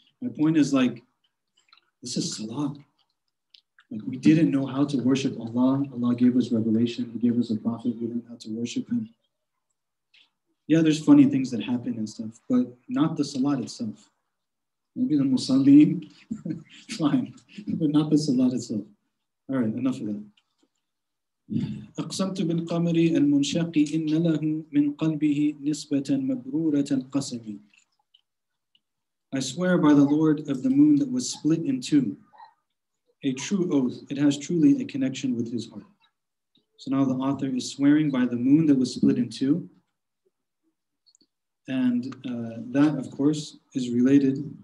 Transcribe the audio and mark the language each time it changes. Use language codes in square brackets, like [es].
[en] My point is like, this is salat. Like, we didn't know how to worship Allah. Allah gave us revelation. He gave us a prophet. We didn't know how to worship him. Yeah, there's funny things that happen and stuff, but not the salat itself. Maybe the musallim, fine, but not the salat itself. All right, enough of that. [ar] أقسمت بالقمر المنشق إن له من قلبه نسبة مبرورة القسم. [en] I swear by the Lord of the moon that was split in two. A true oath, it has truly a connection with his heart. So now the author is swearing by the moon that was split in two. And that, of course, is related.